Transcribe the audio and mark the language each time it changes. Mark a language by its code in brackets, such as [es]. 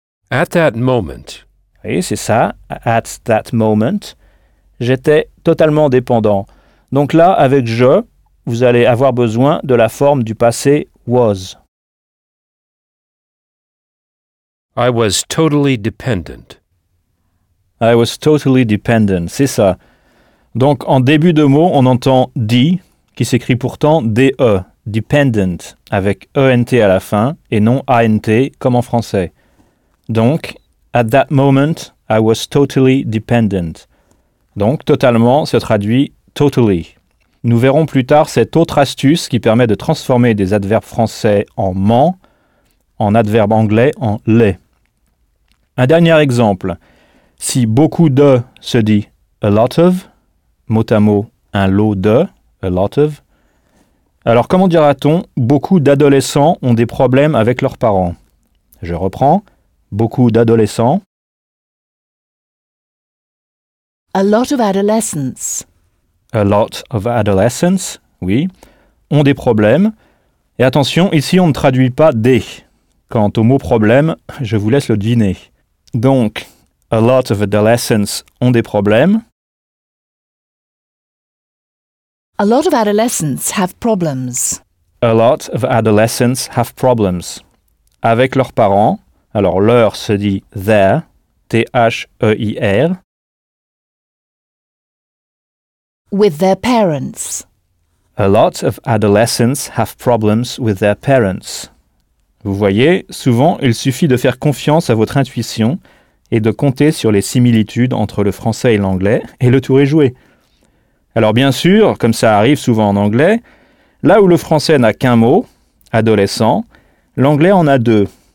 [en] At that moment. [fr] Oui, c'est ça. [en] At that moment. [fr] J'étais totalement dépendant. Donc là, avec je, vous allez avoir besoin de la forme du passé was. [en] I was totally dependent. I was totally dependent, [fr] c'est ça. Donc, en début de mot, on entend D, qui s'écrit pourtant D-E, dependent, avec E-N-T à la fin, et non A-N-T, comme en français. Donc, [en] at that moment, I was totally dependent. [fr] Donc, totalement, se traduit totally. Nous verrons plus tard cette autre astuce qui permet de transformer des adverbes français en « ment » en adverbe anglais en « les ». Un dernier exemple. Si « beaucoup de » se dit « [en] a lot of [fr] », mot à mot, un lot de, a lot of. Alors, comment dira-t-on, beaucoup d'adolescents ont des problèmes avec leurs parents. Je reprends, beaucoup d'adolescents. [en] A lot of adolescents. A lot of adolescents, [fr] oui, ont des problèmes. Et attention, ici, on ne traduit pas des. Quant au mot problème, je vous laisse le deviner. Donc, [en] a lot of adolescents [fr] ont des problèmes. [en] A lot of adolescents have problems. A lot of adolescents have problems. [fr] Avec leurs parents. Alors, leur se dit their, T-H-E-I-R. [en] With their parents. A lot of adolescents have problems with their parents. [fr] Vous voyez, souvent, il suffit de faire confiance à votre intuition et de compter sur les similitudes entre le français et l'anglais, et le tour est joué. Alors bien sûr, comme ça arrive souvent en anglais, là où le français n'a qu'un mot, adolescent, l'anglais en a deux.